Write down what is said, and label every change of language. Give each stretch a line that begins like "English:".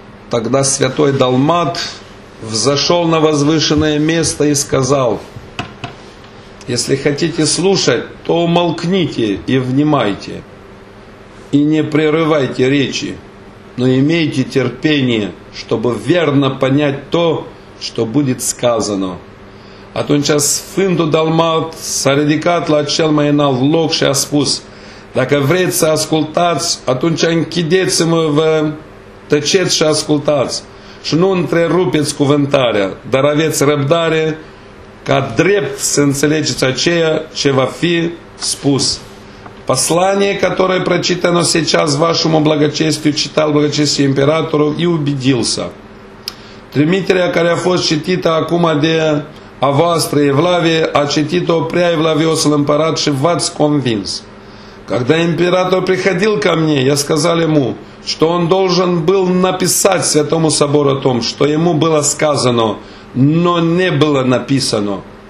Russian: Тогда святой Далмат взошел на возвышенное место и сказал: «Если хотите слушать, то умолкните и внимайте, и не прерывайте речи, но имейте терпение, чтобы верно понять то, что будет сказано».
Romanian: Atunci Sfântul Dalmat s-a ridicat la cel mai înalt loc și a spus: «Dacă vreți să ascultați, atunci închideți-vă, tăceți și ascultați, și nu întrerupeți cuvântarea, dar aveți răbdare ca drept să înțelegeți aceea ce va fi spus.
Russian: Послание, которое прочитано сейчас вашему благочестию, читал благочестие императору и убедился.
Romanian: Тримитерия, care a fost citită acum de a voastră Evlavie, a citit-o prea Evlavios-ul împărat și v-ați convins.
Russian: Когда император приходил ко мне, я сказал ему, что он должен был написать Святому Собору о том, что ему было сказано, но не было написано.